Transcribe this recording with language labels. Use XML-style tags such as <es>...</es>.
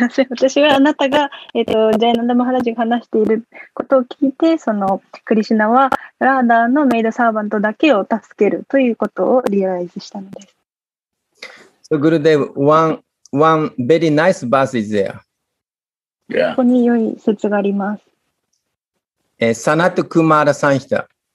<ja>私はあなたが、ジャイナンダ・マハラジが話していることを聞いて、そのクリシュナはラーダーのメイドサーバントだけを助けるということをリアライズしたのです。</ja> <en>So, Gurudev, one very nice verse is there.</en> <ja>ここに良い説があります。サナト・クマーラ・サンヒタ。</ja>